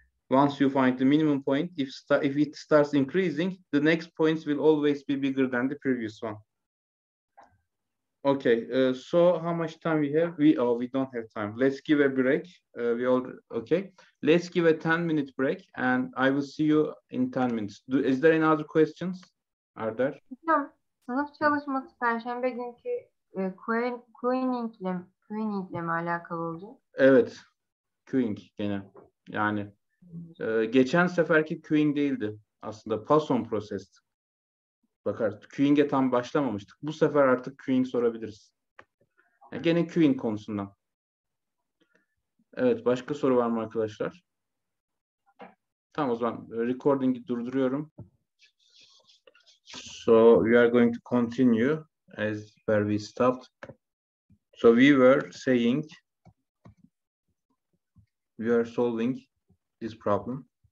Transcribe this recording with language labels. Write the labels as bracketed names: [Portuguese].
[English] Once you find the minimum point, if it starts increasing, the next points will always be bigger than the previous one. Okay, so how much time we have? We don't have time. Let's give a break. Let's give a 10-minute break and I will see you in 10 minutes. Is there any other questions? Are there? [Turkish] Hocam, sınıf çalışması Perşembe günkü Queening'le mi alakalı olacak? Evet, Queening gene. Yani geçen seferki queuing değildi aslında, Poisson prosesti. Bakar, queuing'e tam başlamamıştık. Bu sefer artık queuing sorabiliriz. Yani gene queuing konusundan. Evet, başka soru var mı arkadaşlar? Tamam, o zaman recording'i durduruyorum. [English] So we are going to continue as where we stopped. So we are solving this problem.